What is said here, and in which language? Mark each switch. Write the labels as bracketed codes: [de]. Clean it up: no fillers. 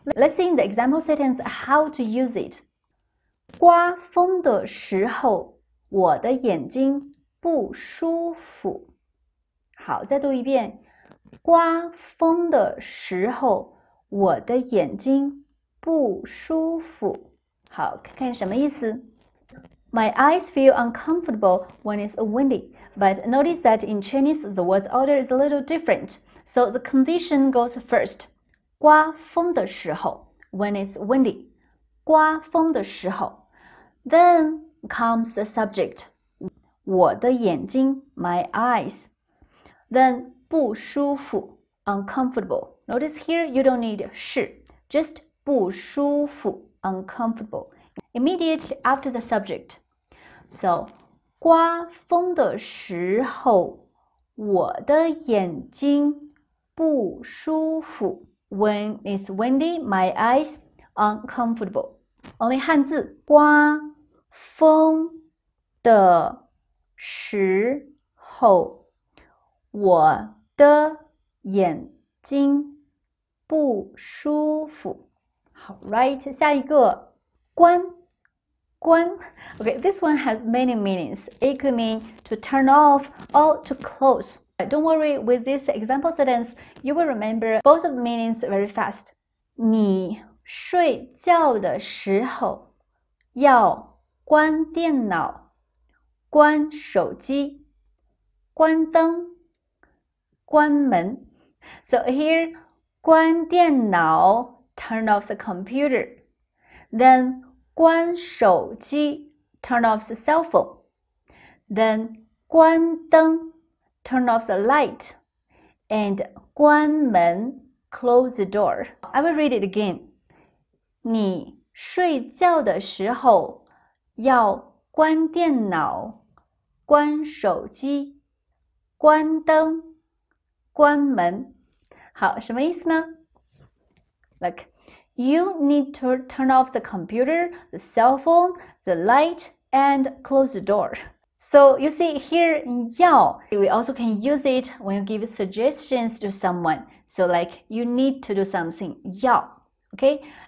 [en] Let's see in the example sentence how to use it. [zh] 刮风的时候我的眼睛不舒服。好再读一遍。刮风的时候我的眼睛不舒服。好看看什么意思。 [en] My eyes feel uncomfortable when it's windy. But notice that in Chinese, the word order is a little different. So the condition goes first. [zh] 刮风的时候 [en] when it's windy. [zh] 刮风的时候 [en] Then comes the subject. [zh] 我的眼睛 [en] my eyes. Then [zh] 不舒服 [en] uncomfortable. Notice here, you don't need 是 Just [zh] 不舒服 [en] uncomfortable. Immediately after the subject. [zh] So, 刮风的时候我的眼睛不舒服。 [en] When it's windy, my eyes uncomfortable. [zh] Only 汉字刮风的时候我的眼睛不舒服。 [en] 好 right, [zh] 下一个关。 [en] 关 okay, this one has many meanings. It could mean to turn off or to close. Don't worry, with this example sentence, you will remember both of the meanings very fast. [zh] 你睡觉的时候要关电脑、关手机、关灯、关门。 [en] So here, [zh] 关电脑 [en] turn off the computer. Then, [zh] 关手机 [en] turn off the cell phone. Then, [zh] 关灯 [en] turn off the light. And, [zh] 关门 [en] close the door. I will read it again. [zh] 你睡觉的时候要关电脑关手机关灯关门。好，什么意思呢？ [en] Look, you need to turn off the computer, the cell phone, the light, and close the door. So you see here, 要, we also can use it when you give suggestions to someone. So like, you need to do something, 要, okay?